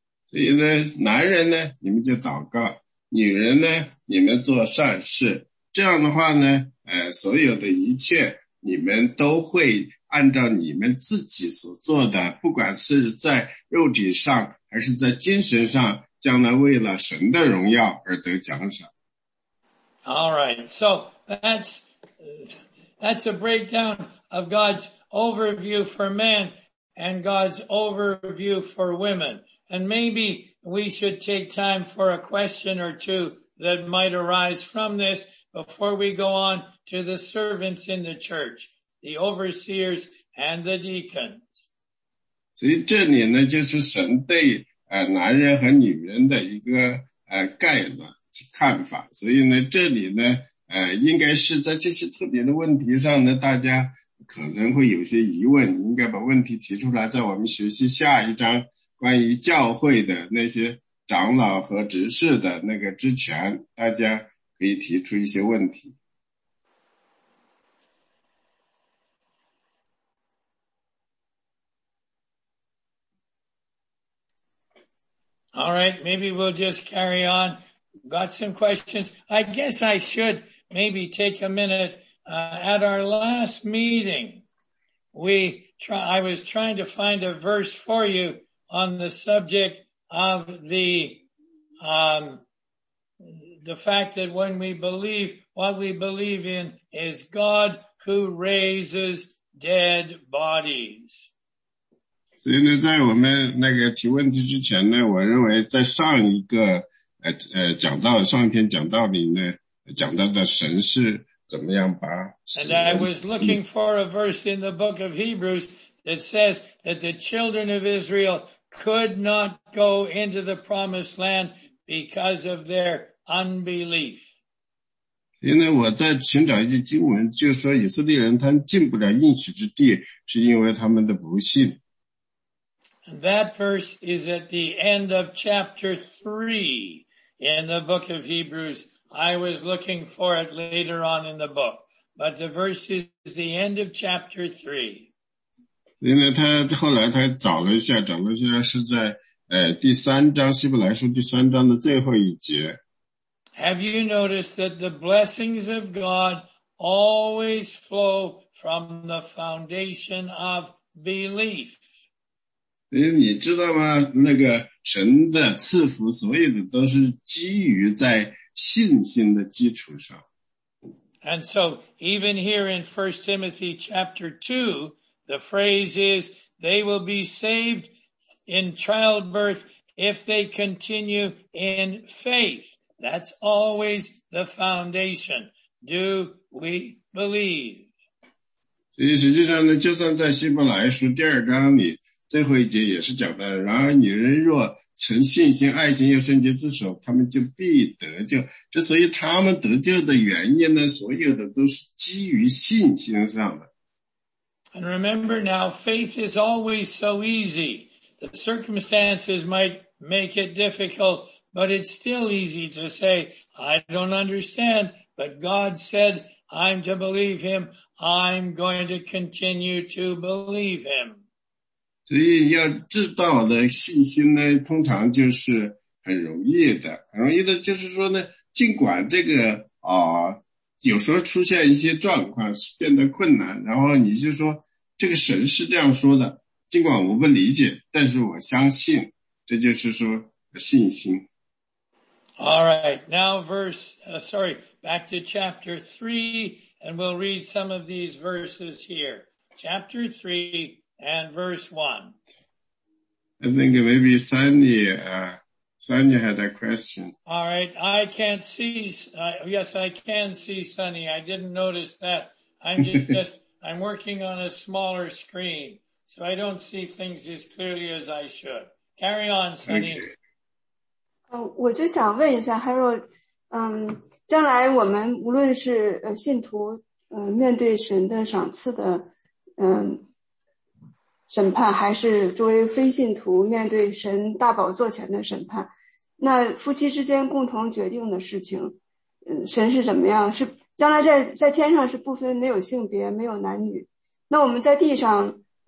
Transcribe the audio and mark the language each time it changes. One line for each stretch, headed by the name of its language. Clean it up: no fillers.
Chinese: 所以呢，男人呢，你们就祷告，女人呢，你们做善事。这样的话呢，所有的一切，你们都会按照你们自己所做的，不管是在肉体上还是在精神上，将来为了神的荣耀而得奖赏。
English: All right, so that's a breakdown of God's overview for men and God's overview for women. And maybe we should take time for a question or two that might arise from this before we go on to the servants in the church, the overseers and the deacons.
Chinese: 所以这里呢，就是神对男人和女人的一个概论。看法，所以呢，这里呢，应该是在这些特别的问题上呢，大家可能会有些疑问，应该把问题提出来，在我们学习下一章关于教会的那些长老和执事的那个之前，大家可以提出一些问题。
English: All right, maybe we'll just carry on. Got some questions. I guess I should maybe take a minute. At our last meeting, I was trying to find a verse for you on the subject of the fact that when we believe, what we believe in is God who raises dead bodies.
Chinese: 所以呢，在我们那个提问题之前呢，我认为在上一个讲到上一篇讲道里呢，讲到的神是怎么样把。
English: And I was looking for a verse in the book of Hebrews that says that the children of Israel could not go into the promised land because of their unbelief.
Chinese: 因为我在寻找一些经文，就是说以色列人他们进不了应许之地，是因为他们的不信。
English: That verse is at the end of chapter 3 in the book of Hebrews. I was looking for it later on in the book. But the verse is the end of chapter 3.
Chinese: 因为他后来他找了一下，找了一下是在第三章，希伯来书第三章的最后一节。
English: Have you noticed that the blessings of God always flow from the foundation of belief?
Chinese: 你知道吗？那个神的赐福，所有的都是基于在信心的基础上。
English: And so, even here in 1 Timothy chapter 2, the phrase is, they will be saved in childbirth if they continue in faith. That's always the foundation. Do we believe?
Chinese: 所以实际上呢，就算在希伯来书第二章里，最后一节也是讲到，然而女人若存信心、爱心又圣洁之手，他们就必得救。之所以他们得救的原因呢，所有的都是基于信心上的。
English: And remember now, faith is always so easy. The circumstances might make it difficult, but it's still easy to say, I don't understand, but God said, I'm to believe him, I'm going to continue to believe him.
Chinese: 所以要知道的信心呢，通常就是很容易的。很容易的就是说呢，尽管这个有时候出现一些状况是变得困难，然后你就说，这个神是这样说的，尽管我不理解，但是我相信，这就是说信心。
English: All right, now back to chapter 3, and we'll read some of these verses here. Chapter 3 and verse 1. I think maybe Sunny had a question. All right, I can't see, yes, I can see Sunny. I didn't notice that. I'm working on a smaller screen, so I don't see things as clearly as I should. Carry on, Sunny. Okay.
Chinese: 我就想问一下 Harold, 将来我们无论是信徒面对神的赏赐的审判，还是作为非信徒面对神大宝座前的审判，那夫妻之间共同决定的事情，神是怎么样，是将来在天上是不分没有性别没有男女，那我们在地上